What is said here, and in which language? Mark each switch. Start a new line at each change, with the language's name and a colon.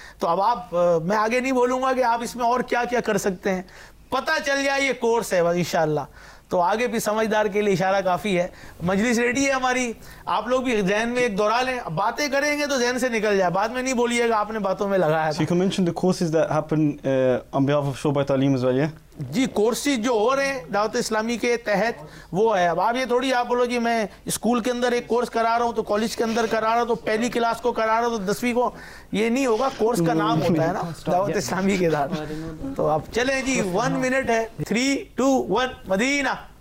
Urdu: تو اب آپ, میں آگے نہیں بولوں گا کہ آپ اس میں اور کیا کیا کر سکتے ہیں, پتا چل جائے یہ کورس ہے ان شاء اللہ تو آگے بھی سمجھدار کے لیے اشارہ کافی ہے. مجلس ریڈی ہے ہماری, آپ لوگ بھی ذہن میں ایک دوہرا لیں, باتیں کریں گے تو ذہن سے نکل جائے, بعد میں نہیں بولیے گا آپ نے باتوں میں لگایا.
English: So you can mention the courses that happen on behalf of Shobha Taleem as well, yeah?
Urdu: جی courses جو ہو رہے ہیں دعوت اسلامی کے تحت وہ ہے. اب آپ یہ تھوڑی آپ بولو جی میں اسکول کے اندر ایک کورس کرا رہا ہوں تو کالج کے اندر کرا رہا ہوں تو پہلی کلاس کو کرا رہا ہوں تو دسویں کو, یہ نہیں ہوگا. کورس کا نام ہوتا ہے نا دعوت اسلامی کے دار. تو اب چلیں جی, ون منٹ ہے, 3-2-1 مدینہ